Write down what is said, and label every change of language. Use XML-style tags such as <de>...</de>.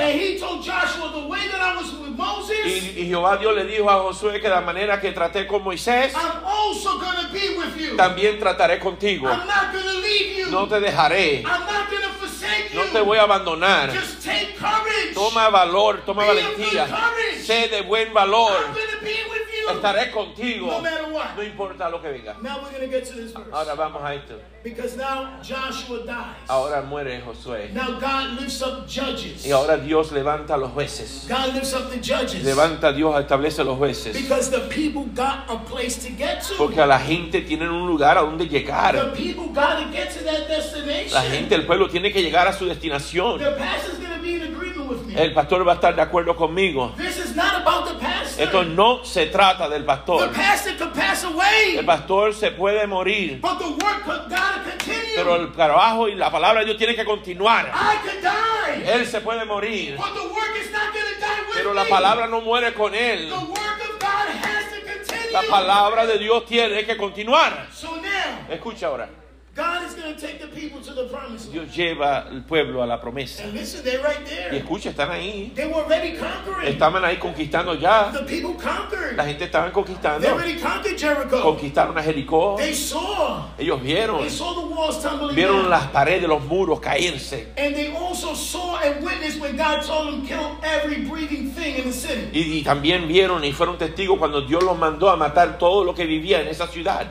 <en>And he told Joshua the way that I was with Moses.</en> <es>Y Jehová Dios le dijo a Josué que la manera que traté con Moisés.</es> <en>I'm also going to be with you.</en> <es>También trataré contigo.</es> <en>I'm not going to leave you.</en> <es>No te dejaré.</es> <en>I'm not going to forsake you.</en> <es>No te voy a abandonar.</es> <en>Just take courage.</en> <es>Toma valor, toma</es> <en>be</en> <es>valentía. Sé de buen valor.</es> <en>I'm</en> <es>estaré contigo.</es> <en>No, matter what.</en> <es>No importa lo que venga.</es> <en>Now we're gonna get to this verse.</en> <es>Ahora vamos a esto.</es> <en>Because now Joshua dies.</en> <es>Ahora muere Josué.</es> <en>Now God lifts up judges.</en> <es>Y ahora Dios levanta a los jueces.</es> <en>God lifts up the judges.</en> <es>Levanta a Dios, establece a los jueces.</es> <en>Because the people got a place to get to.</en> <es>Porque a la gente tienen un lugar a donde llegar.</es> <en>The people got to get to that destination.</en> <es>La gente, el pueblo tiene que llegar a su destinación.</es> <en>The pastor's gonna be in agreement with me.</en> <es>El pastor va a estar de acuerdo conmigo.</es> <en>This is not about the pastor.</en> <es>Esto no se trata del pastor.</es> <en>The pastor could pass away.</en> <es>El pastor se puede morir.</es> <en>But the work of God.</en> <es>Pero el trabajo y la palabra de Dios tiene que continuar.</es> <en>I could die.</en> <es>Él se puede morir.</es> <en>But the work is not gonna die with</en> <es>pero</es> <en>me.</en> <es>La palabra no muere con él.</es> <en>The work of God has to continue.</en> <es>La palabra de Dios tiene que continuar.</es> <en>So now,</en> <es>escucha ahora.</es> <en>God is gonna take the people to the promised land.</en> <es>Dios lleva al pueblo a la promesa.</es> <en>And listen, they're right there.</en> <es>Y escucha, están ahí.</es> <en>They were already conquering.</en> <es>Estaban ahí conquistando ya.</es> <en>The people conquered.</en> <es>La gente estaban conquistando.</es> <en>They already conquered Jericho.</en> <es>Conquistaron a Jericó.</es> <en>They saw.</en> <es>Ellos vieron.</es> <en>They saw the walls tumbling.</en> <es>Vieron</es> <en>down.</en> <es>Las paredes, los muros caerse.</es> <en>And they also saw and witnessed when God told them kill every breathing thing in the city.</en> <es>Y también vieron y fueron testigos cuando Dios los mandó a matar todo lo que vivía en esa ciudad.</es>